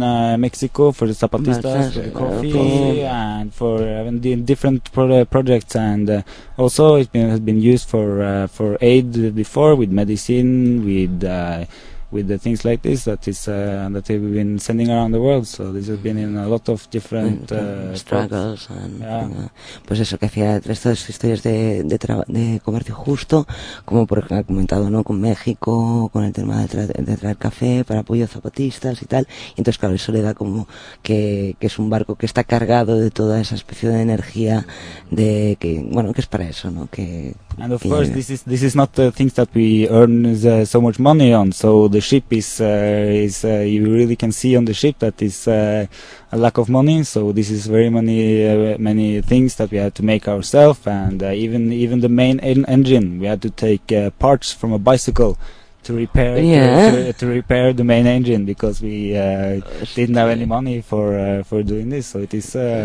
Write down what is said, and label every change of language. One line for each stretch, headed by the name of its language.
English: Mexico for the Zapatistas, for the coffee, and for different projects, and also it has been used for aid before with medicine, with the things like this that we've been sending around the world. So this has been in a lot of different struggles.
Spanish: Pues eso, que hacía estas historias de comercio justo, como por ha comentado, ¿no? Con México, con el tema de traer café para apoyo a zapatistas y tal. Y entonces, claro, eso le da como que es un barco que está cargado de toda esa especie de energía de que, bueno, que es para eso, ¿no? Que,
English: and of course, this is not the things that we earn so much money on. So the ship is you really can see on the ship that is a lack of money. So this is very many things that we had to make ourselves, and even the main engine we had to take parts from a bicycle to repair to repair the main engine because we didn't have any money for doing this. So it is